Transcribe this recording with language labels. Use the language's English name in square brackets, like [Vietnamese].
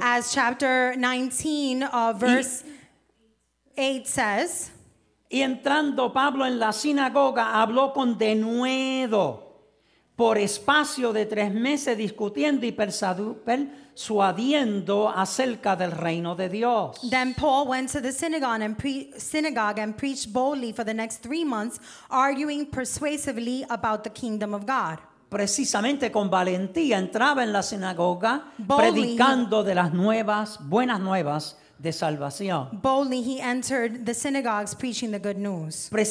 [English] As chapter 19, verse 8 says. [Spanish] Y entrando Pablo en la sinagoga, habló con denuedo por espacio de 3 meses discutiendo y persuadiendo acerca del reino de Dios. [English] Then Paul went to the synagogue and preached boldly for the next 3 months, arguing persuasively about the kingdom of God. [Spanish] Precisamente con valentía entraba en la sinagoga predicando de las nuevas, buenas nuevas de salvación. [English] Boldly he entered the synagogues preaching the good news.